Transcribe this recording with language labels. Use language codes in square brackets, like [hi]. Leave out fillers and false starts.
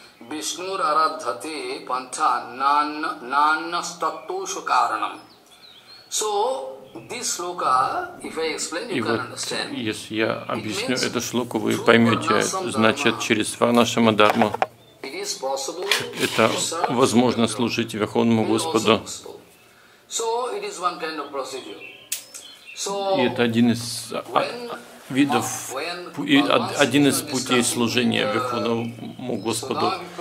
[sa] Вишнур арадхате панта наннастаттушу каранам. [en] So, this shloka, if I explain, you can [ru] вот, [en] understand. [ru] Если я объясню эту шлоку, вы поймете, значит, через Варнашрама Дхарму это возможно служить Верховному Господу. [en] So, it is one kind of procedure. So, [ru] и это один из видов, один из путей служения Верховному Господу.